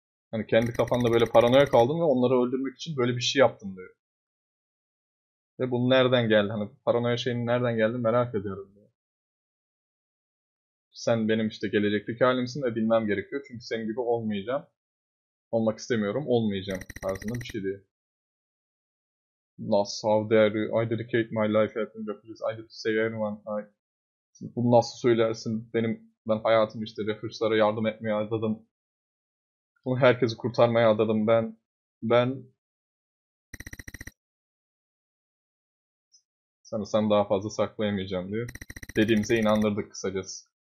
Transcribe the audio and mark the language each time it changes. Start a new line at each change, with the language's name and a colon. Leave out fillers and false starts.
Turkish: Hani kendi kafanda böyle paranoya kaldın ve onları öldürmek için böyle bir şey yaptın diyor. Ve bu nereden geldi? Hani paranoya şeyinin nereden geldi merak ediyorum diyor. Sen benim işte gelecekteki halimsin ve bilmem gerekiyor. Çünkü senin gibi olmayacağım. Olmak istemiyorum, olmayacağım tarzında bir şey diyor. Nasıl,
English: how dare you? I dedicate my life at the refugees. I didn't say anyone.
Turkish: Bunu nasıl söylersin? Ben hayatım işte refugees'lara yardım etmeye adadım. Bunu herkesi kurtarmaya adadım. Ben sanırsam daha fazla saklayamayacağım diyor. Dediğimize inandırdık kısacası.